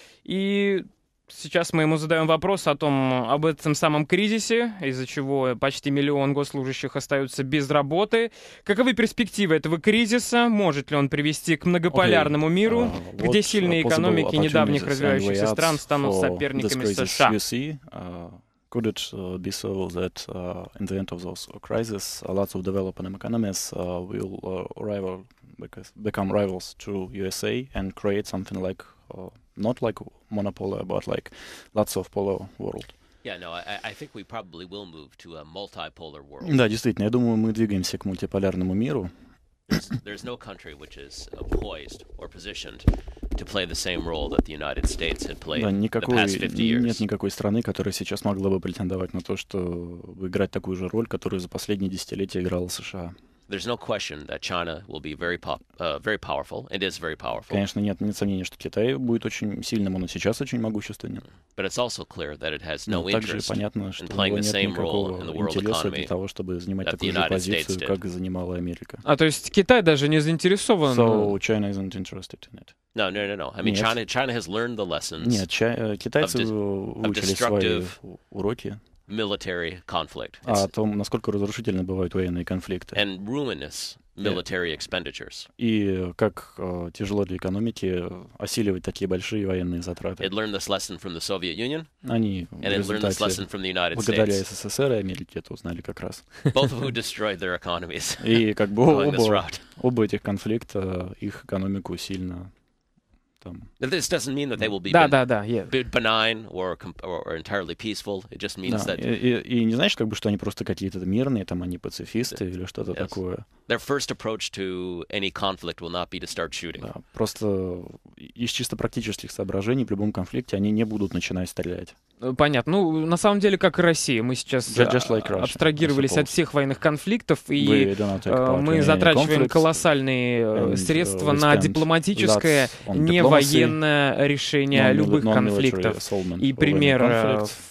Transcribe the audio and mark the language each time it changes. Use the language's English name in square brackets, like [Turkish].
[Russian] И сейчас мы ему задаем вопрос об этом самом кризисе, из-за чего почти миллион госслужащих остаются без работы. Каковы перспективы этого кризиса? Может ли он привести к многополярному миру, где сильные экономики недавних развивающихся стран станут соперниками США? [English] Could it be so that in the end of those crises, lots of developing economies will become rivals to USA and create something like not like monopoly, but like lots of polar world. Yeah, no, I think we probably will move to a multipolar world. [Russian] Да, действительно, я думаю, мы двигаемся к мультиполярному миру. [English] There's no country which is poised or positioned to play the same role that the United States had played the past 50 years. [Russian] Нет никакой страны, которая сейчас могла бы претендовать на то, чтобы играть такую же роль, которую за последние десятилетия играла США. [English] There's no question that China will be very very powerful. It is very powerful. [Russian] Конечно, нет сомнения, что Китай будет очень сильным, он и сейчас очень могущественен. [English] But it's also clear that it has no interest in playing the same role in the world economy. [Russian] Для того, чтобы занимать такую же позицию, как занимала Америка. А то есть Китай даже не заинтересован. [English] So China isn't interested in it. No. I mean, China has learned the lessons. [Russian] Нет, китайцы выучили свои уроки. [English] Military conflict. [Russian] А о том, насколько разрушительны бывают военные конфликты. [English] And ruinous military expenditures. [Russian] И как тяжело для экономики осиливать такие большие военные затраты. [English] It learned this lesson from the Soviet Union. [Russian] Они [English] and it learned this lesson from the United States. [Russian] Благодаря СССР и Америке это узнали как раз. [English] Both of who destroyed their economies. [Russian] И как бы оба этих конфликта их экономику сильно. [English] This doesn't mean that they will be benign or entirely peaceful. It just means that. [Russian] И не знаешь, как бы, что они просто какие-то мирные, там они пацифисты или что-то такое. [English] Their first approach to any conflict will not be to start shooting. [Russian] Да, просто из чисто практических соображений в любом конфликте они не будут начинать стрелять. Понятно. Ну, на самом деле, как и Россия, мы сейчас абстрагировались от всех военных конфликтов, и мы затрачиваем колоссальные средства на дипломатическое, не военное решение любых конфликтов. И пример